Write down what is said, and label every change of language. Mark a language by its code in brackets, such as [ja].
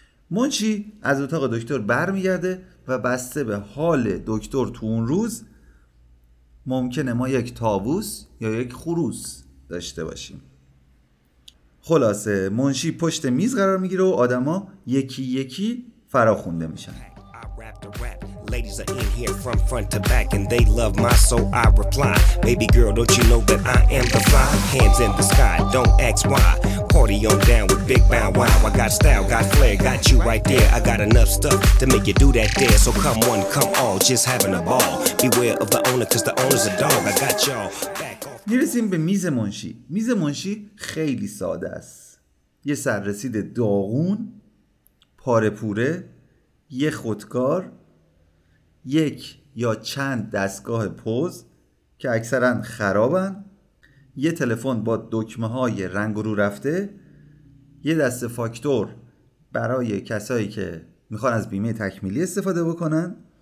[fa] منشی از اتاق دکتر برمیگرده و بسته به حال دکتر تو اون روز ممکنه ما یک طاووس یا یک خروس داشته باشیم. خلاصه منشی پشت میز قرار میگیره و آدما یکی یکی فراخونده میشن. [en] Ladies are in here from front to back and they love my soul, I reply. Baby girl, don't you know that I am the fly? Hands in the sky, don't ask why. Party on down with Big Bow Wow. I got style, got flair, got you right there. I got enough stuff to make you do that there. So come one, come all, just having a ball. Beware of the owner, cause the owner's a dog. I got y'all back off. [fa] میرسیم به میز منشی. میز منشی خیلی ساده است. یه سررسید داغون، پاره پوره، یه خودکار، یک یا چند دستگاه پوز که اکثرا خرابن، یه تلفن با دکمه های رنگ رو رفته، یه دسته فاکتور برای کسایی که میخوان از بیمه تکمیلی استفاده بکنن